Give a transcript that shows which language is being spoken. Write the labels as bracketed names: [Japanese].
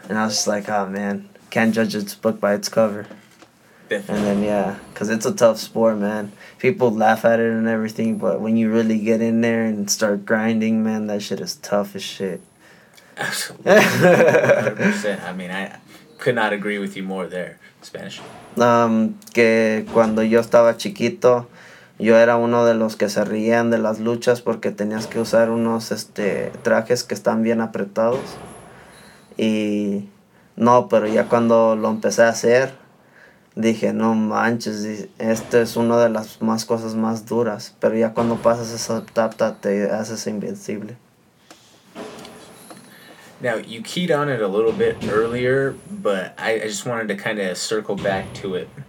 [English] And I was just like, oh man, can't judge its book by its cover. Definitely. And then, yeah, because it's a tough sport, man. People laugh at it and everything, but when you really get in there and start grinding, man, that shit is tough as shit. Absolutely. 100%. I mean, I could not agree with you more there, Spanish. [Spanish] Que cuando yo estaba chiquito, yo era uno de los que se rían de las luchas porque tenías que usar unos trajes que están bien apretados. Y no, pero ya cuando lo empecé a hacer, dije, no manches, esto es una de las más cosas más duras. Pero ya cuando pasas esa etapa, te haces invencible. [English] Now, you keyed on it a little bit earlier, but I just wanted to kind of circle back to it.